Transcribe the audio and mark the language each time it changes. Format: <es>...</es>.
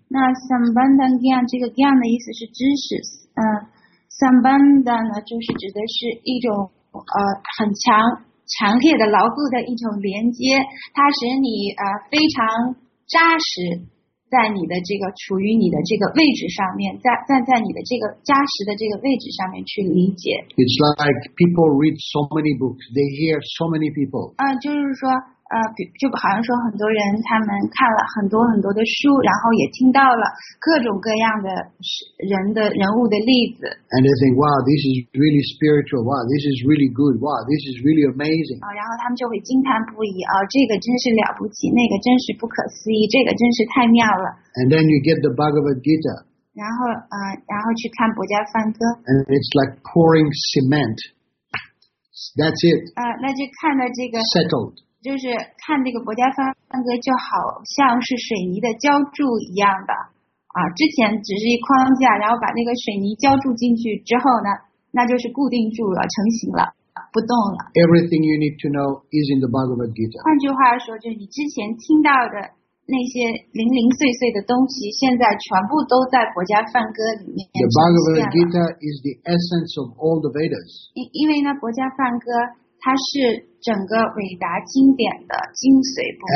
<zh>那 Sambandha Gyan, 这个 Gyan 的意思是知识Sambandha 呢就是指的是一种很强烈的牢固的一种连接它使你非常扎实在你的这个处于你的这个位置上面在你的这个扎实的这个位置上面去理解。</zh> <en>It's like people read so many books, they hear so many people.</en> <zh>就是说就好像说很多人他们看了很多很多的书然后也听到了各种各样的人物的例子。</zh> <en>And they think, wow, this is really spiritual, wow, this is really good, wow, this is really amazing.</en> <zh>然后他们就会惊叹不已这个真是了不起那个真是不可思议这个真是太妙了。</zh> <en>And then you get the Bhagavad Gita.</en> <zh>然后去看博迦梵歌。</zh> <en>And it's like pouring cement. That's it.</en> <zh>那就看了这个。</zh> <en>Settled.</en> <zh>就是看这个博迦梵歌就好像是水泥的浇筑一样的之前只是一框架然后把那个水泥浇筑进去之后呢那就是固定住了成型了不动了。</zh> <en>Everything you need to know is in the Bhagavad Gita.</en> <zh>换句话说就是你之前听到的那些零零碎碎的东西现在全部都在国家梵歌里面出现了。</zh> <en>The Bhagavad Gita is the essence of all the Vedas.</en> <zh>因为呢，国家梵歌它是整个伟达经典的精髓部分。</zh>